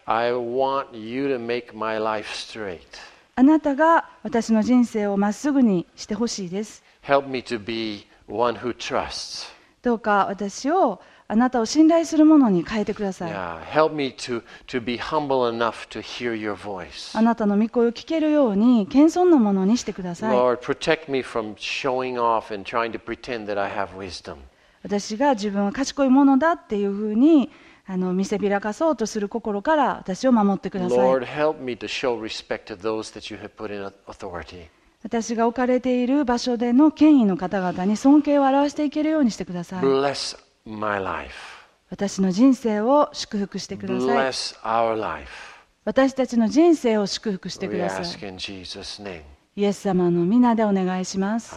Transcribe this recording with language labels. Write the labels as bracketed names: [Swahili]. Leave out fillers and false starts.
[English] I want you to make my life straight. [Japanese] あなたが私の人生をまっすぐにしてほしいです。 [English] Help me to be one who trusts. [Japanese] どうか私をあなたを信頼するものに変えてください。 [English] Help me to be humble enough to hear your voice. [Japanese] あなたの御声を聞けるように謙遜なものにしてください。 [English] Lord, protect me from showing off and trying to pretend that I have wisdom. [Japanese] 私が自分は賢いものだっていうふうに見せびらかそうとする心から私を守ってください。 [English] Lord, help me to show respect to those that you have put in authority. [Japanese] 私が置かれている場所での権威の方々に尊敬を表していけるようにしてください。 [English] Bless my life. [Japanese] 私の人生を祝福してください。 [English] Bless our life. [Japanese] 私たちの人生を祝福してください。 [English] We ask in Jesus' name. [Japanese] イエス様の御名でお願いします。